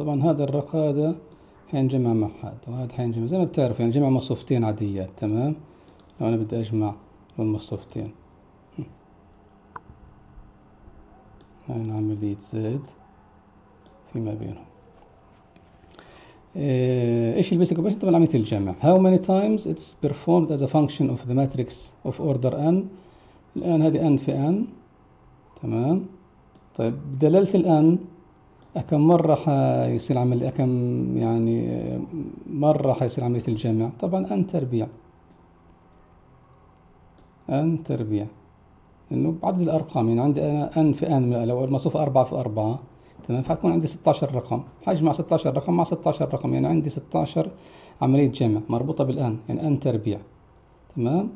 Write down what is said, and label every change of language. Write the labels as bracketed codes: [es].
[ar] طبعا هذا الرقم هذا حينجمع مع حد، وهذا حينجمع زي ما بتعرف يعني جمع مصفوفتين عاديات، تمام. لو أنا بدي أجمع المصفوفتين، هاي عملية زد فيما بينهم. ايش البيسك اوبريشن؟ طبعا عملية الجمع. [en] How many times it's performed as a function of the matrix of order n؟ [ar] الآن هذه n في n، تمام. طيب بدلالة ال n كم مرة حيصير عملية، كم يعني مرة حيصير عملية الجمع؟ طبعا n تربيع، n تربيع، انه بعدد الارقام، يعني عندي انا n في n، لو المصفوفة 4 في 4 تمام، فحتكون عندي 16 رقم، حجمع 16 رقم مع 16 رقم، يعني عندي 16 عملية جمع مربوطة بالان، يعني n تربيع، تمام.